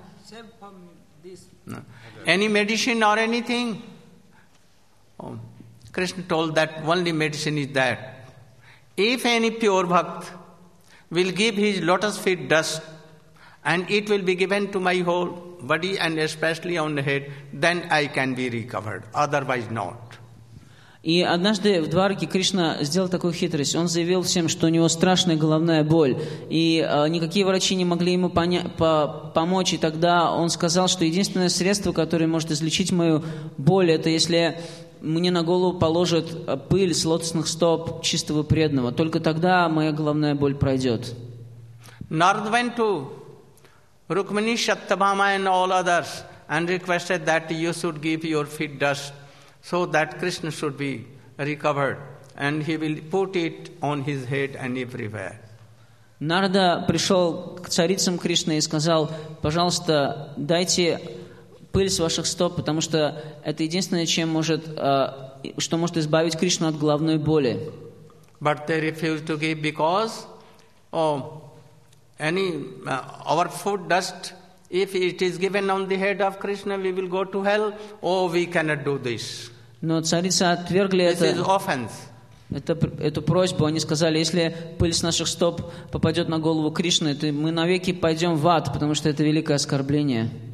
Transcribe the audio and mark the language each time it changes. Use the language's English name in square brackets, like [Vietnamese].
[English] Saved from this. No. Any medicine or anything? Oh. Krishna told that only medicine is that. If any pure bhakt will give his lotus feet dust and it will be given to my whole body and especially on the head, then I can be recovered. Otherwise not. [Russian] И однажды в Дварке Кришна сделал такую хитрость. Он заявил всем, что у него страшная головная боль, и никакие врачи не могли ему помочь. И тогда он сказал, что единственное средство, которое может излечить мою боль, это если мне на голову положат пыль с лотосных стоп чистого преданного. Только тогда моя головная боль пройдет. [English] Narada went to Rukmini, Shatthabhama and all others and requested that you should give your feet dust. So that Krishna should be recovered, and he will put it on his head and everywhere. [Russian] Нарада пришел к царицам Кришны и сказал, пожалуйста, дайте пыль с ваших стоп, потому что это единственное, что может избавить Кришну от головной боли. [English] But they refused to give our foot dust, if it is given on the head of Krishna, we will go to hell. Oh, we cannot do this. [Russian] Но царица отвергли это. Эту просьбу они сказали, если пыль с наших стоп попадет на голову Кришны, то мы навеки пойдем в ад, потому что это великое оскорбление.